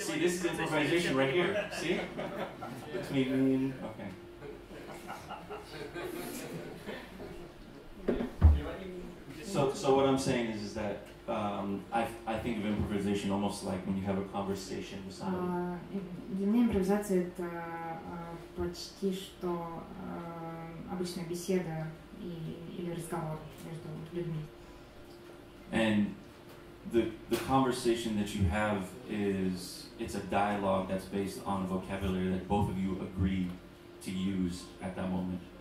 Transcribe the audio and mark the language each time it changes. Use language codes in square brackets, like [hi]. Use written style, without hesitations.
[en] See, this is improvisation right here. See? Between me and... Okay. So what I'm saying is that I think of improvisation almost like when you have a conversation with somebody. [ru] Для меня импровизация — это почти что обычная беседа или разговор между людьми. [en] And the conversation that you have is, it's a dialogue that's based on a vocabulary that both of you agree to use at that moment.